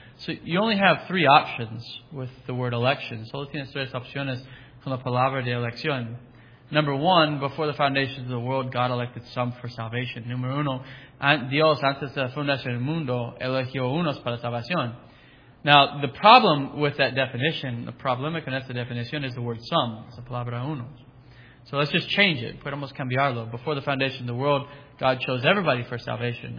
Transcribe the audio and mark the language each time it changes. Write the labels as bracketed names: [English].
[English] So you only have three options with the word election. [Spanish] Solo tienes tres opciones con la palabra de elección. [English] Number one, before the foundation of the world, God elected some for salvation. [Spanish] Número uno, Dios antes de la fundación del mundo eligió unos para salvación. [English] Now, the problem with that definition, the [Spanish] problema con esta definición [English] is the word some. [Spanish] Es la palabra unos. [English] So let's just change it. [Spanish] Podemos cambiarlo. [English] Before the foundation of the world, God chose everybody for salvation.